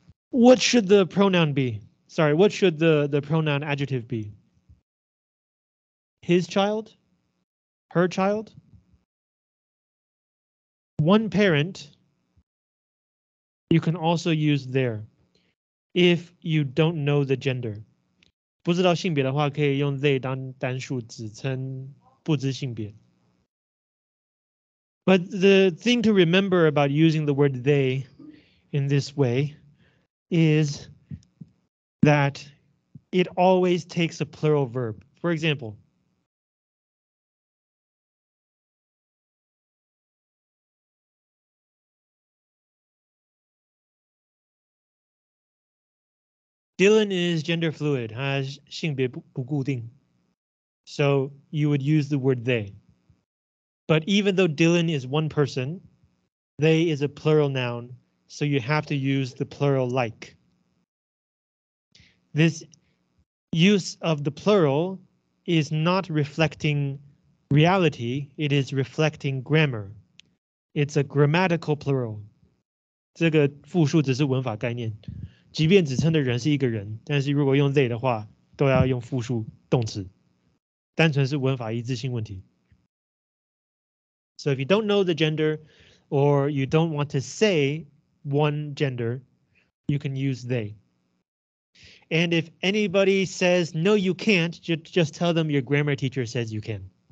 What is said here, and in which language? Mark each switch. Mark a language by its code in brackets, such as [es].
[en] What should the pronoun be? Sorry, what should the pronoun adjective be? His child? Her child? One parent. You can also use their if you don't know the gender. [zh] 不知道性别的话，可以用they当单数子称，不知性别. [en] But the thing to remember about using the word they in this way is that it always takes a plural verb. For example, Dylan is gender fluid, [zh] 他性别不固定. [en] So you would use the word they. But even though Dylan is one person, they is a plural noun, so you have to use the plural like. This use of the plural is not reflecting reality, it is reflecting grammar. It's a grammatical plural. [zh] 这个复数只是文法概念。即便只称的人是一个人，但是如果用they的话，都要用复数动词，单纯是文法一致性问题. [en] So if you don't know the gender, or you don't want to say one gender, you can use they. And if anybody says no, you can't, just tell them your grammar teacher says you can.